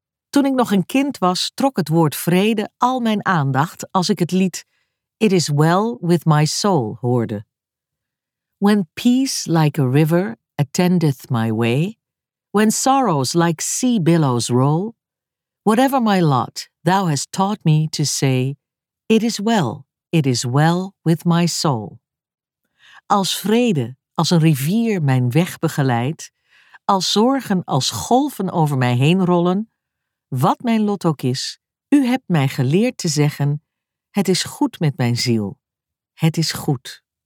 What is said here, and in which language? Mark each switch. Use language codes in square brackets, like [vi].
[nl] Toen ik nog een kind was, trok het woord vrede al mijn aandacht als ik het lied It Is Well With My Soul hoorde. [en] When peace like a river attendeth my way, when sorrows like sea billows roll, whatever my lot, thou hast taught me to say, it is well with my soul. [nl] Als vrede als een rivier mijn weg begeleidt, als zorgen als golven over mij heen rollen, wat mijn lot ook is, u hebt mij geleerd te zeggen, het is goed met mijn ziel, het is goed.